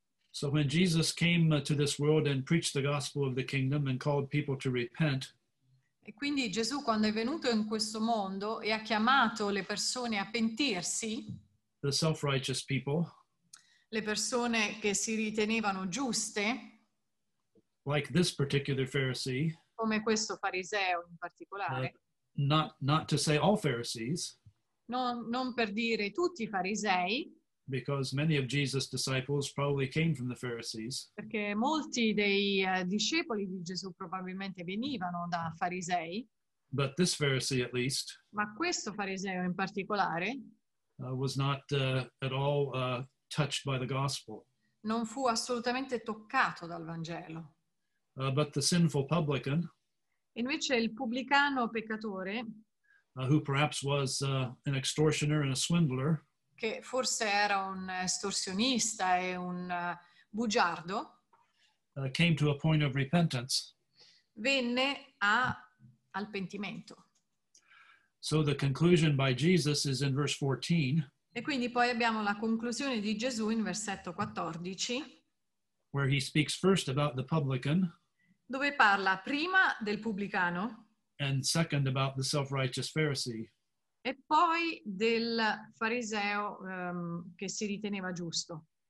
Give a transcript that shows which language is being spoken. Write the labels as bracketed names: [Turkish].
[English] So when Jesus came to this world and preached the gospel of the kingdom and called people to repent. [Italian] E quindi Gesù quando è venuto in questo mondo e ha chiamato le persone a pentirsi. [English] The self-righteous people. [Italian] Le persone che si ritenevano giuste. [English] Like this particular Pharisee. [Italian] Come questo fariseo in particolare. [English] Not to say all Pharisees. [Italian] Non per dire tutti i farisei, [English] because many of Jesus' disciples probably came from the Pharisees. [Italian] Perché molti dei discepoli di Gesù probabilmente venivano da farisei. [English] But this Pharisee, at least, [Italian] ma questo fariseo in particolare, [English] was not at all touched by the gospel. [Italian] Non fu assolutamente toccato dal Vangelo. [English] But the sinful publican, [Italian] invece il pubblicano peccatore, [English] who perhaps was an extortioner and a swindler, [Italian] che forse era un estorsionista e un bugiardo, [English] came to a point of repentance. [Italian] Venne a al pentimento. [English] So the conclusion by Jesus is in verse 14. [Italian] E quindi poi abbiamo la conclusione di Gesù in versetto 14. [English] Where he speaks first about the publican. [Italian] Dove parla prima del pubblicano. [English] And second about the self-righteous Pharisee. [Italian] E poi del fariseo che si riteneva giusto.